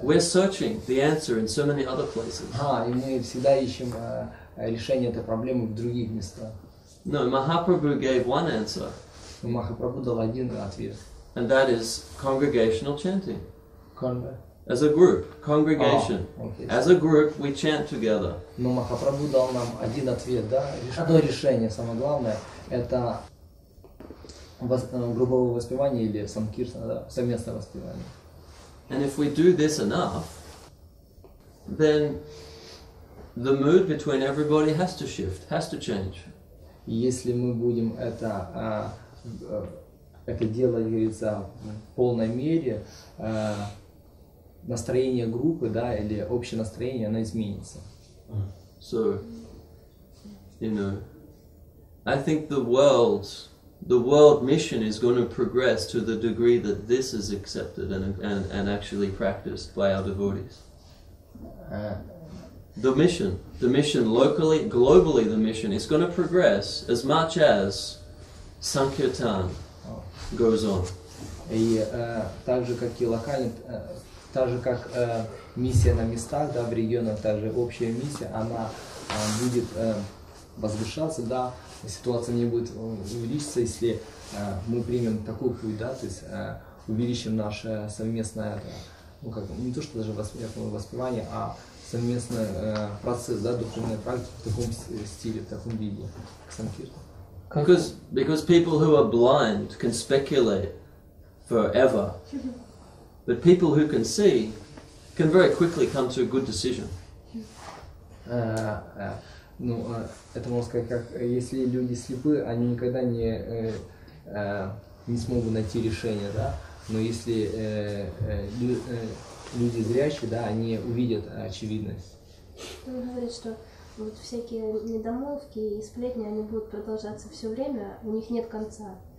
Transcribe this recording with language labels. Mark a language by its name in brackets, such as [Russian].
[English] We're searching the answer in so many other places. [Russian] И мы всегда ищем решение этой проблемы в других местах. [English] No, Mahaprabhu gave one answer. [Russian] Mahaprabhu дал один ответ. [English] And that is congregational chanting. [Russian] Конга. [English] As a group, congregation. Okay. As a group, we chant together. [Russian] Но Махапрабху дал нам один ответ, да? Одно решение, самое главное, это групповое воспевание или санкиртана, да? Совместное воспевание. [English] And if we do this enough, then the mood between everybody has to shift, has to change. [Russian] Если мы будем это, это делать, говорится, в полной мере, настроение группы, да, или общее настроение, оно изменится. [English] So, you know, I think the world mission is going to progress to the degree that this is accepted and actually practiced by our devotees. The mission locally, globally, the mission is going to progress as much as Sankirtan goes on. [Russian] И так же, как и локально, так же, как миссия на местах, да, в регионах, так же общая миссия, она будет возвышаться, да, ситуация не будет увеличиться, если мы примем такой путь, да, то есть увеличим наше совместное, ну, как, не то, что даже воспевание, а совместный процесс, да, духовной практики в таком стиле, в таком виде, к санкирте. [English] Because people who are blind can speculate forever, but people who can see can very quickly come to a good decision. [Russian] Это можно сказать, как если люди слепы, они никогда не смогут найти решение, да, но если люди зрячие, да, они увидят очевидность. Он говорит, что вот всякие недомолвки и сплетни, они будут продолжаться все время, у них нет конца.